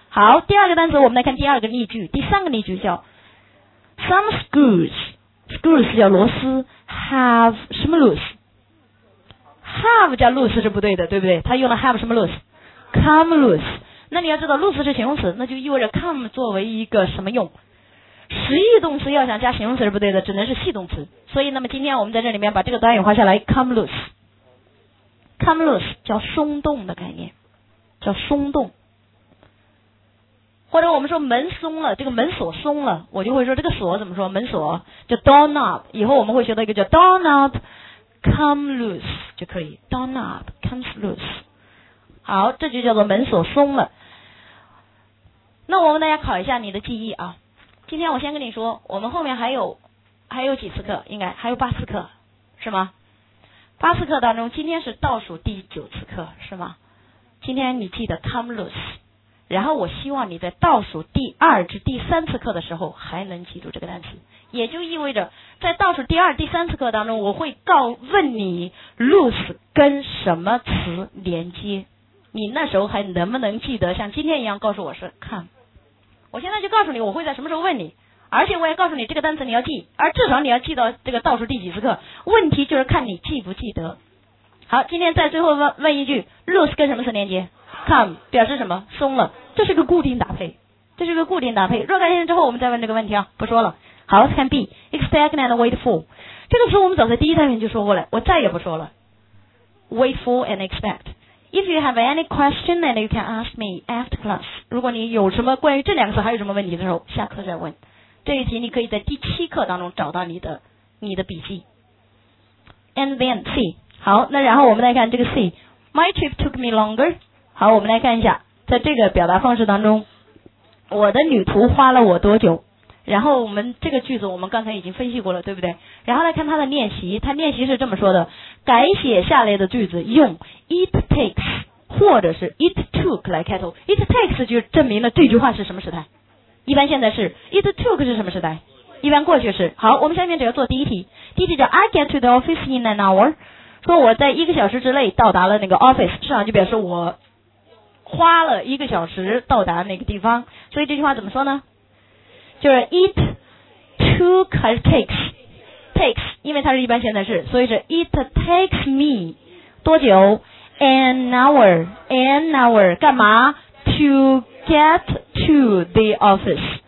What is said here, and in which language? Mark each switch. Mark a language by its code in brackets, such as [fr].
[zh] 好，第二个单词我们来看第二个例句。第三个例句叫 Some screws 叫螺丝 have 什么 loose， have 叫 loose 是不对的，对不对？他用了 have 什么 loose， come loose。那你要知道 loose 是形容词，那就意味着 come 作为一个什么用，实义动词要想加形容词是不对的，只能是系动词。所以那么今天我们在这里面把这个短语画下来， come loose 叫松动的概念，叫松动。或者我们说门松了，这个门锁松了，我就会说这个锁怎么说？门锁叫 door knob， 以后我们会学到一个叫 door knob come loose 就可以， door knob comes loose。好，这就叫做门锁松了。那我问大家考一下你的记忆啊，今天我先跟你说，我们后面还有几次课，应该还有八次课是吗？八次课当中今天是倒数第九次课是吗？今天你记得 come loose，然后我希望你在倒数第二至第三次课的时候还能记住这个单词，也就意味着在倒数第二第三次课当中我会问你 loose 跟什么词连接，你那时候还能不能记得像今天一样告诉我是 come。我现在就告诉你我会在什么时候问你，而且我也告诉你这个单词你要记，而至少你要记到这个倒数第几次课，问题就是看你记不记得。好，今天在最后 问一句， loose 跟什么词连接？ come 表示什么？松了，这是个固定搭配，这是个固定搭配。若干天之后我们再问这个问题啊，不说了。好，看 B， expect and wait for，这个词我们早在第一单元就说过了，我再也不说了。 [en] wait for and expect， if you have any question then you can ask me after class，如果你有什么关于这两个词还有什么问题的时候下课再问。 [zh] 这一题你可以在第七课当中找到你的笔记。 [en] and then C，好，那然后我们来看这个 C， my trip took me longer。 [zh] 好，我们来看一下在这个表达方式当中，我的旅途花了我多久，然后我们这个句子我们刚才已经分析过了，对不对？然后来看它的练习，它练习是这么说的，改写下列的句子用 it takes 或者是 it took 来开头。 it takes 就证明了这句话是什么时态，一般现在是 it took 是什么时态，一般过去是。好，我们下面只要做第一题，第一题叫 I get to the office in an hour，说我在一个小时之内到达了那个 office， 市场就表示我花了一个小时到达那个地方，所以这句话怎么说呢？就是 eat two cut cakes takes，因为它是一般现在式，所以是 it takes me 多久 an hour 干嘛 to get to the office。